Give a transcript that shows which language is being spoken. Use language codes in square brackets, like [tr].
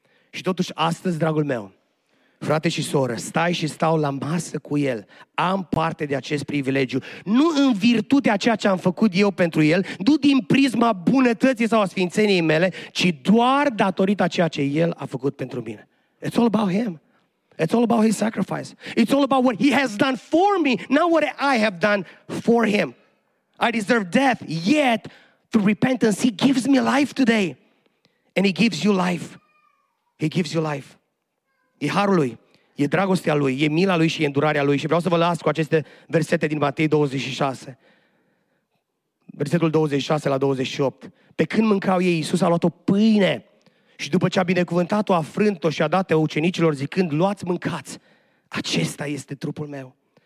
[ro] Și totuși astăzi, dragul meu, frate și soră, stai și stau la masă cu el. Am parte de acest privilegiu. Nu în virtutea ceea ce am făcut eu pentru el, nu din prisma bunătății sau a sfințeniei mele, ci doar datorită ceea ce el a făcut pentru mine. [en] It's all about him. It's all about his sacrifice. It's all about what he has done for me, not what I have done for him. I deserve death, yet through repentance, he gives me life today. And he gives you life. He gives you life. [ro] E harul lui, e dragostea lui, e mila lui și e îndurarea lui. Și vreau să vă las cu aceste versete din Matei 26. Versetul 26 la 28. Pe când mâncau ei, Iisus a luat o pâine și după ce a binecuvântat-o, a frânt-o și a dat-o ucenicilor zicând, luați, mâncați, acesta este trupul meu.